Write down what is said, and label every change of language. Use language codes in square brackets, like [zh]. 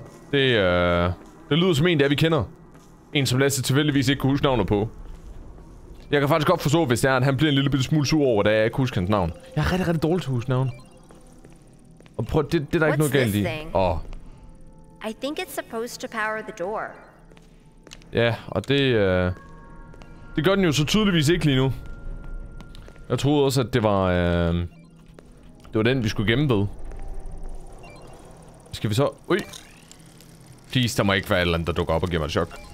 [da] Det lyder som en, der vi kender. En, som Lasse tilfældigvis ikke kunne huske navnet på. Jeg kan faktisk godt forstå, hvis det er, at han bliver en lille smule sur over, da jeg ikke husker hans navn. Jeg er rigtig, rigtig dårlig til at huske navn. Og prøv, det er der ikke noget galt i. Åh. [en] I think it's supposed to power the door. [da] Ja, og det gør den jo så tydeligvis ikke lige nu. Jeg troede også, at det var det var den, vi skulle gemme ved. Skal vi så... Ui! Please, der må ikke være et eller andet, der dukker op og giver mig et chok.